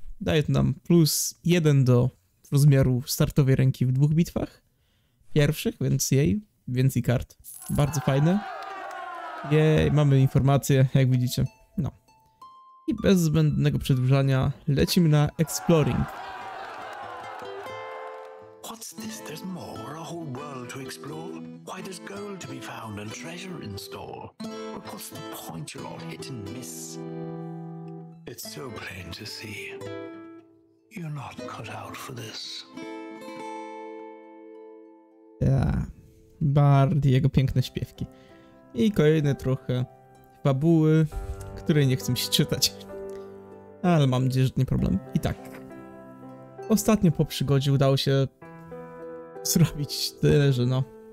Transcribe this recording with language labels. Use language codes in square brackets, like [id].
[pl] Daje to nam plus 1 do rozmiaru startowej ręki w dwóch bitwach. Pierwszych, więc jej, więcej kart. Bardzo fajne. Jej, mamy informacje, jak widzicie. No. I bez zbędnego przedłużania lecimy na exploring. [en] What's this? There's more, a whole world to explore. Why there's gold to be found and treasure in store. But what's the point you're all hit and miss? It's so plain to see. You're not cut out for this. [pl] Bardi, jego piękne śpiewki. I kolejne trochę fabuły, której nie chcę się czytać. Ale mam nadzieję, że to nie problem. I tak. Ostatnio po przygodzie udało się zrobić tyle, że no.